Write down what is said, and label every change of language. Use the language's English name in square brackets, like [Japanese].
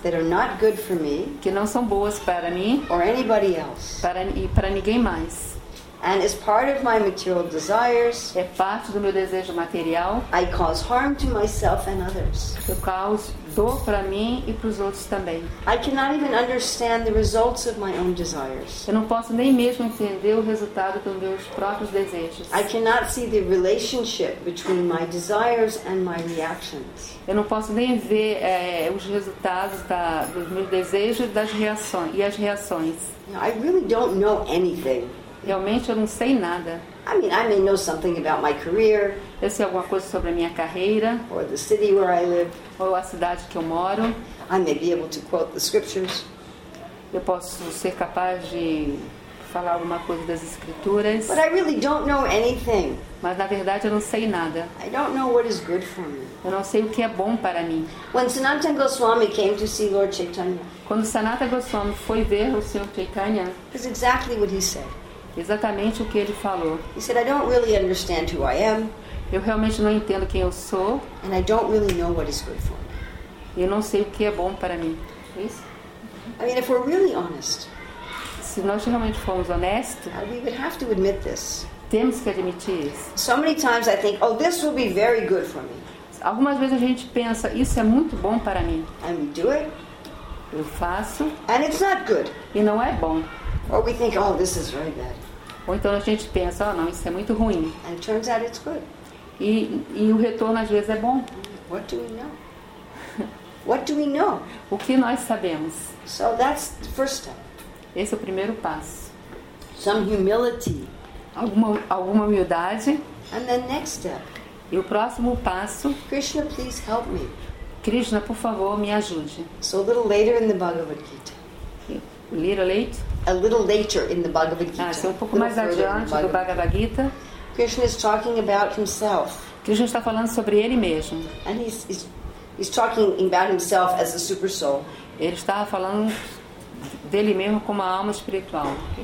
[English] that are not good for me. [Portuguese] Que não são boas para mim. [English] Or anybody else. [Portuguese] Para ninguém mais. [English] And as part of my material desires, [Portuguese] é parte do meu desejo material, [English] I cause harm to myself and others. [Portuguese] Eu causo dor para mim e para os outros também. [English] I cannot even understand the results of my own desires. [Portuguese] Eu não posso nem mesmo entender o resultado dos meus próprios desejos. [English] I cannot see the relationship between my desires and my reactions. [Portuguese] Eu não posso nem ver os resultados dos meus desejos e as reações. [English] You know, I really don't know anything. [Portuguese] Realmente eu não sei nada. [English] I mean, I may know something about my career. [Portuguese] Eu sei alguma coisa sobre a minha carreira. [English] Or the city where I live. [Portuguese] Ou a cidade que eu moro. [English] I may be able to quote the scriptures. [Portuguese] Eu posso ser capaz de falar alguma coisa das escrituras. [English] But I really don't know anything. [Portuguese] Mas na verdade eu não sei nada. [English] I don't know what is good for me. [Portuguese] Eu não sei o que é bom para mim. [English] When Sanatana Goswami came to see Lord Chaitanya. [Portuguese] Quando Sanatana Goswami foi ver o Senhor Chaitanya. [English] That's exactly what he said. [Portuguese] Exatamente o que ele falou. [English] He said, I don't really understand who I am. [Portuguese] Eu realmente não entendo quem eu sou. [English] And I don't really know what is good for me. [Portuguese] Eu não sei o que é bom para mim. É isso? [English] I mean, if we're really honest, [Portuguese] se nós realmente formos honestos, [English] we would have to admit this. [Portuguese] Temos que admitir isso. [English] So many times I think, oh, this will be very good for me. [Portuguese] Algumas vezes a gente pensa, isso é muito bom para mim. [English] And we do it. [Portuguese] Eu faço. [English] And it's not good. [Portuguese] E não é bom. [English] Or we think, oh, this is very bad. [Portuguese] Ou então a gente pensa, oh, não, isso é muito ruim. [English] And it turns out it's good. [Portuguese] E o retorno às vezes é bom. [English] What do we know? What do we know? [Portuguese] O que nós sabemos? [English] So that's the first step. [Portuguese] Esse é o primeiro passo. [English] Some humility. [Portuguese] Alguma humildade. [English] And the next step. [Portuguese] E o próximo passo. [English] Krishna, please help me. [Portuguese] Krishna, por favor, me ajude. [English] So a little later in the Bhagavad Gita. A little later in the Bhagavad Gita. [Portuguese] Ah, um pouco mais adiante do Bhagavad Gita. [English] Krishna is talking about himself. [Portuguese] Krishna está falando sobre ele mesmo. [English] And he's talking about himself as a super soul. [Portuguese] Ele estava falando dele mesmo como a alma espiritual.